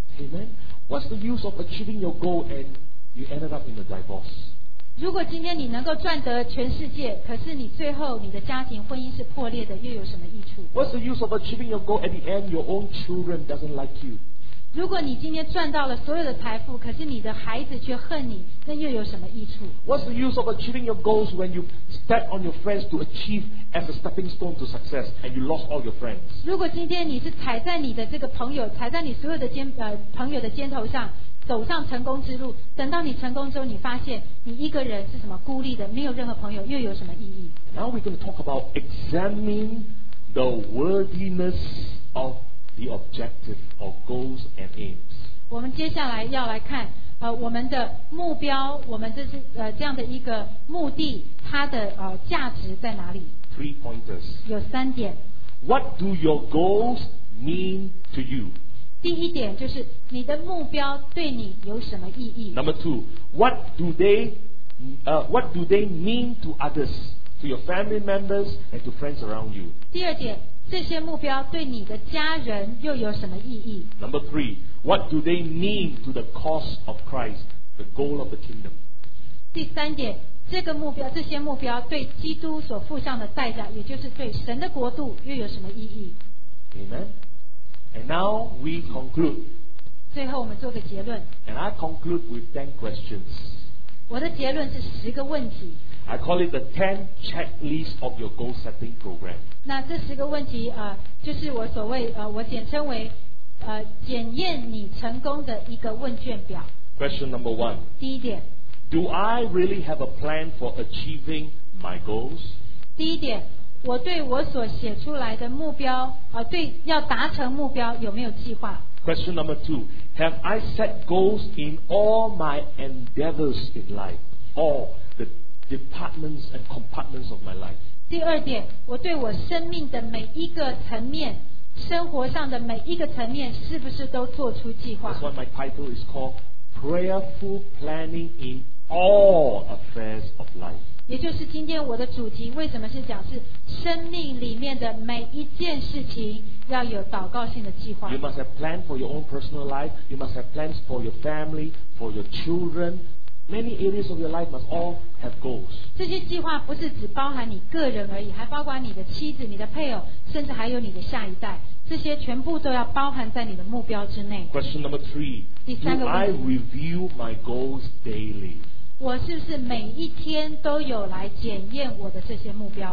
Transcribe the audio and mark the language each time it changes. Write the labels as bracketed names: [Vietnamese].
[English] Amen. What's the use of achieving your goal and you ended up in a divorce? [Chinese] 如果今天你能够赚得全世界，可是你最后你的家庭婚姻是破裂的，又有什么益处？ [English] What's the use of achieving your goal at the end? Your own children doesn't like you. [Chinese] 如果你今天赚到了所有的财富，可是你的孩子却恨你，那又有什么益处？ [English] What's the use of achieving your goals when you step on your friends to achieve as a stepping stone to success and you lost all your friends? [Chinese] 如果今天你是踩在你的这个朋友，踩在你所有的朋友的肩头上，走上成功之路，等到你成功之后，你发现你一个人是什么孤立的，没有任何朋友，又有什么意义？ [English] Now we're going to talk about examining the worthiness of the objective or goals and aims. [Chinese] 我们接下来要来看我们的目标，我们这样的一个目的，它的价值在哪里？ [English] Three pointers. [Chinese] 有三点。 [English] What do your goals mean to you? [Chinese] 第一点就是你的目标对你有什么意义？ [English] Number two, what do they mean to others, to your family members and to friends around you? [Chinese] 第二点，这些目标对你的家人又有什么意义？ [English] Number three, what do they mean to the cause of Christ, the goal of the kingdom? [Chinese] 第三点，这些目标对基督所付上的代价，也就是对神的国度又有什么意义？ [English] Amen. And now we conclude. [Chinese] 最后我们做个结论。 [English] And I conclude with 10 questions. [Chinese] 我的结论是十个问题。 [English] I call it the 10 checklist of your goal setting program. [Chinese] 那这十个问题就是我所谓我简称为检验你成功的一个问卷表。 [English] Question number one. [Chinese] 第一点。 [English] Do I really have a plan for achieving my goals? [Chinese] 第一点，我对我所写出来的目标对要达成目标有没有计划？ [English] Question number two. Have I set goals in all my endeavors in life? All the departments and compartments of my life. [Chinese] 第二点，我对我生命的每一个层面，生活上的每一个层面，是不是都做出计划？ [English] That's why my title is called Prayerful Planning in All Affairs of Life. [Chinese] 也就是今天我的主题为什么是讲是生命里面的每一件事情要有祷告性的计划。 [English] You must have plans for your own personal life. You must have plans for your family, for your children. Many areas of your life must all have goals. [Chinese] 这些计划不是只包含你个人而已，还包括你的妻子、你的配偶，甚至还有你的下一代，这些全部都要包含在你的目标之内。 [English] Question number three. [Chinese] 第三个问题， [English] Do I review my goals daily? [Chinese] 我是不是每一天都有来检验我的这些目标？